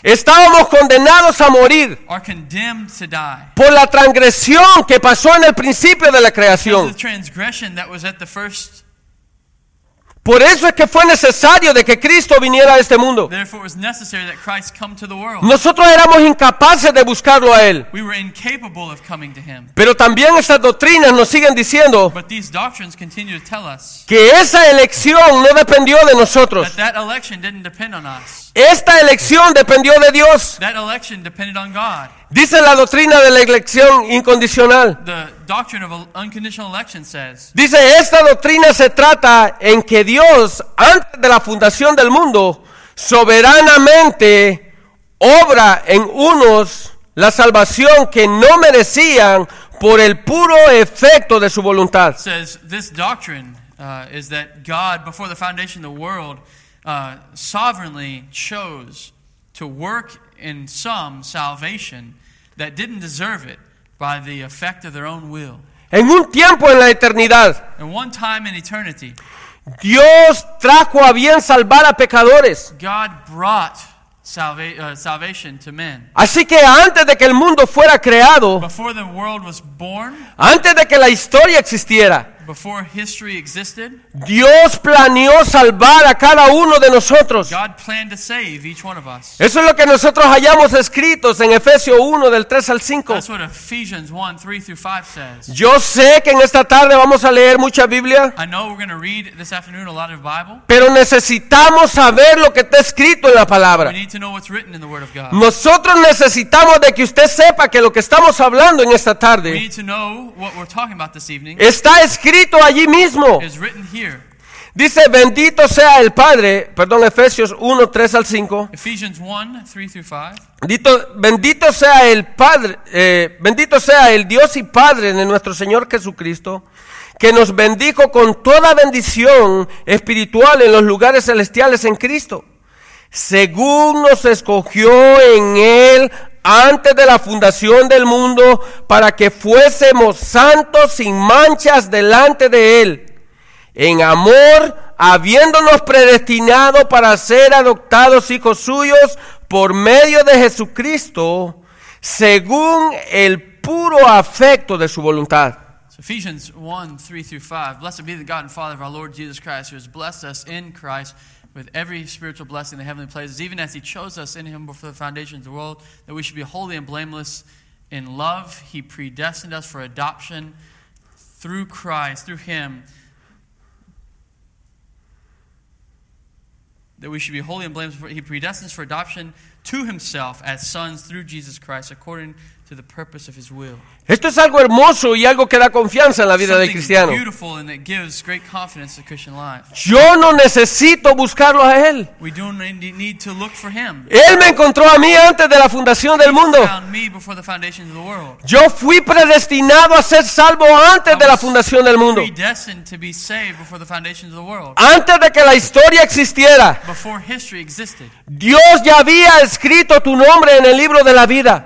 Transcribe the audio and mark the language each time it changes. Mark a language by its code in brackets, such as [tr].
[es] estábamos condenados a morir, [en] are condemned to die, [es] por la transgresión que pasó en el principio de la creación. [en] Because of the transgression that was at the first. [es] Por eso es que fue necesario de que Cristo viniera a este mundo. [en] Therefore, it was necessary that Christ come to the world. [es] Nosotros éramos incapaces de buscarlo a Él. [en] We were incapable of coming to Him. [es] Pero también estas doctrinas nos siguen diciendo, [en] but these doctrines continue to tell us, [es] que esa elección no dependió de nosotros. [en] That election didn't depend on us. [es] Esta elección dependió de Dios. [en] That election depended on God. [es] Dice la doctrina de la elección incondicional. [en] The doctrine of unconditional election says, [es] dice, esta doctrina se trata en que Dios, antes de la fundación del mundo, soberanamente obra en unos la salvación que no merecían por el puro efecto de su voluntad. [en] Says, this doctrine is that God, before the foundation of the world, sovereignly chose to work in some salvation that didn't deserve it by the effect of their own will. [es] En un tiempo en la eternidad, [en] in one time in eternity, [es] Dios trajo a bien salvar a pecadores. [en] God brought salvation to men. [es] Así que antes de que el mundo fuera creado, [en] before the world was born, [es] antes de que la historia existiera, [en] before history existed, [es] Dios planeó salvar a cada uno de nosotros. [en] God planned to save each one of us. [es] Eso es lo que nosotros hayamos escritos en Efesios 1 del 3 al 5. [en] That's what Ephesians 1, 3 through 5 says. [es] Yo sé que en esta tarde vamos a leer mucha Biblia. [en] I know we're going to read this afternoon a lot of Bible. [es] Pero necesitamos saber lo que está escrito en la palabra. [en] We need to know what's written in the word of God. [es] Nosotros necesitamos de que usted sepa que lo que estamos hablando en esta tarde, [en] we need to know what we're talking about this evening, [es] está escrito. Escrito allí mismo. [en] Is written here. [es] Dice, bendito sea el Padre, perdón, Efesios 1, 3 al 5. [en] Ephesians 1, 3 through 5. [es] Bendito sea el Padre, bendito sea el Dios y Padre de nuestro Señor Jesucristo, que nos bendijo con toda bendición espiritual en los lugares celestiales en Cristo, según nos escogió en Él antes de la fundación del mundo, para que fuésemos santos sin manchas delante de Él, en amor, habiéndonos predestinado para ser adoptados hijos suyos por medio de Jesucristo, según el puro afecto de su voluntad. [en] Ephesians 1, 3 through 5. Blessed be the God and Father of our Lord Jesus Christ, who has blessed us in Christ with every spiritual blessing in the heavenly places, even as He chose us in Him before the foundation of the world, that we should be holy and blameless in love. He predestined us for adoption through Christ, through Him, that we should be holy and blameless. He predestined us for adoption to Himself as sons through Jesus Christ, according to the purpose of his will. [es] Esto es algo hermoso y algo que da confianza en la vida del cristiano. [en] Beautiful and it gives great confidence to the Christian life. [es] Yo no necesito buscarlo a él. [en] We don't need to look for him. [es] Él me encontró a mí antes de la fundación del mundo. [en] He found me before the foundation of the world. [es] Yo fui predestinado a ser salvo antes de la fundación del mundo. [en] Predestined to be saved before the foundation of the world. [es] Antes de que la historia existiera. [en] Before history existed. [es] Dios ya había escrito tu nombre en el libro de la vida.